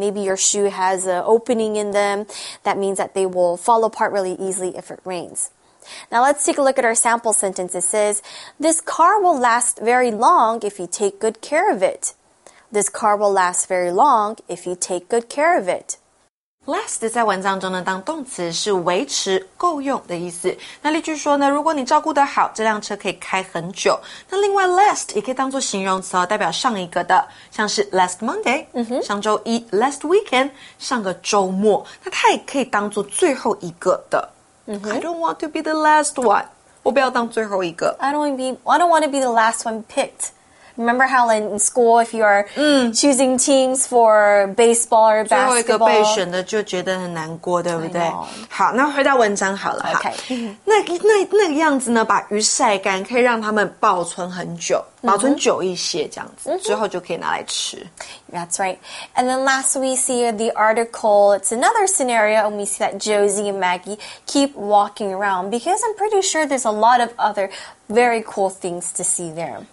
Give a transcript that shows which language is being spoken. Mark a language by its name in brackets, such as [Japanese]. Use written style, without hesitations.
[English] Maybe your shoe has an opening in them. That means that they will fall apart really easily if it rains. Now let's take a look at our sample sentence. It says, this car will last very long if you take good care of it. This car will last very long if you take good care of it. [Chinese] Last 在文章中呢，当动词是维持、够用的意思。那例句说呢，如果你照顾得好，这辆车可以开很久。那另外 last 也可以当作形容词哦，代表上一个的，像是 [English] last Monday、 [Chinese] 上周一 [English] last weekend [Chinese] 上个周末。那它也可以当作最后一个的。 [English] I don't want to be the last one. [Chinese] 我不要当最后一个。 [English] I don't want to be the last one picked. Remember how in school, if you are choosing teams for baseball or basketball? [Chinese] 最后一个被选的就觉得很难过，对不对？好，那回到文章好了。 [English] Okay. [Chinese] 那个样子呢，把鱼晒干可以让它们保存很久。保存久一些这样子、mm-hmm. 之后就可以拿来吃 [English] That's right. And then last we see the article, it's another scenario and we see that Josie and Maggie keep walking around because I'm pretty sure there's a lot of other very cool things to see there.